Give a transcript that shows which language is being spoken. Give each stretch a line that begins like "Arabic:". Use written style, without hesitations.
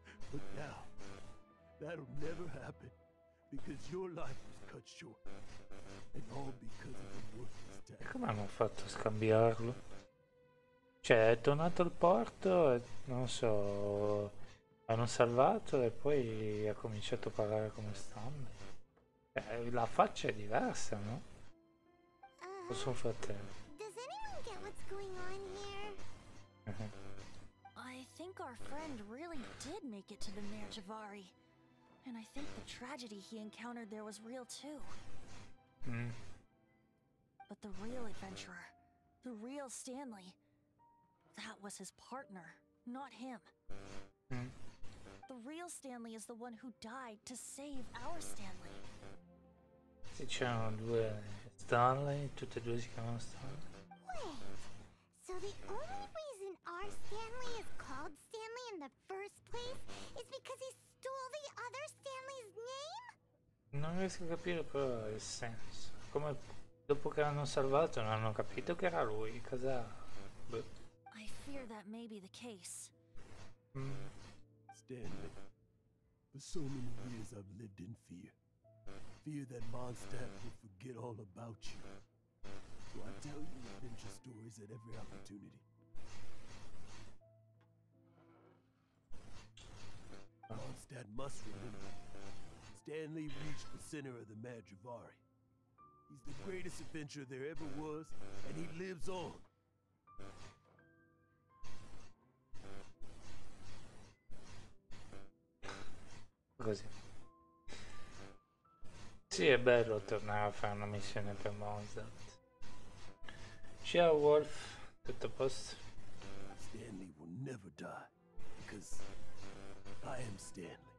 English: But now, that'll never happen, because your life was cut short, and all because of the worthless death.
Italian: E come hanno fatto a scambiarlo? Cioè, è tornato al porto, non so, hanno salvato e poi ha cominciato a parlare come stanno. La faccia è diversa, no? O suo fratello.
English: Does anyone get what's going on here? I think our friend really did make it to the Mare Jivari. And I think the tragedy he encountered there was real too. Mm. But the real adventurer, the real Stanley, that was his partner, not him. Mm. The real Stanley is the one who died to save our Stanley.
Italian: Sì, c'erano due Stanley, tutte e due si chiamano Stanley.
English: Wait, so the only reason our Stanley is called Stanley in the first place is because he stole the other Stanley's name?
Italian: Non riesco a capire però il senso. Come dopo che l'hanno salvato non hanno capito che era lui, cosa... Beh.
English: I fear that may be the case. Mm. Stanley, for so many years I've lived in fear. Fear that Mondstadt will forget all about you. So I tell you adventure stories at every opportunity. Mondstadt must remember. Stanley reached the center of the Mare Jivari. He's the greatest adventurer there ever was, and he lives on.
Italian: Così. Sì, è bello tornare a fare una missione per Mozart. Ciao Wolf, tutto a posto.
English: Stanley will never die, because I am Stanley.